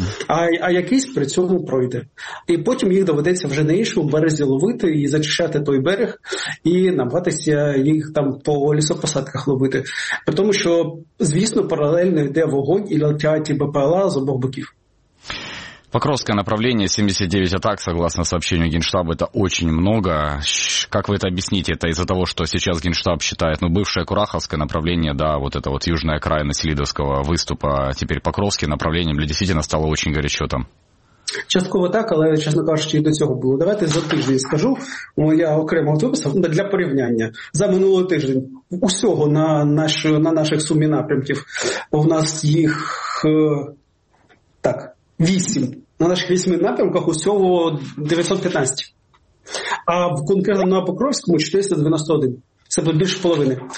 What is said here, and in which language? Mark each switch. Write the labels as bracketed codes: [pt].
[uk] А якийсь при цьому пройде. І потім їх доведеться вже на іншому березі ловити і зачищати той берег, і намагатися їх там по лісопосадках ловити. При тому, що, звісно, паралельно йде вогонь і летять БПЛА з обох боків. [ru] Покровское направление, 79 атак, согласно сообщению Генштаба, это очень много. Как вы это объясните? Это из-за того, что сейчас Генштаб считает, ну, бывшее Кураховское направление, да, вот это вот южная окраина Селидовского выступа, теперь Покровское направление, для действительно стало очень горячо там. [uk] Частково так, але, чесно кажучи, і до цього було. Давайте за тиждень скажу, я окремо виписав, для порівняння. За минулий тиждень усього на наших сумі напрямків у нас їх 8. На наших 8 напрямках усього 915. А в конкретно на Покровському 491. Це буде більше половини.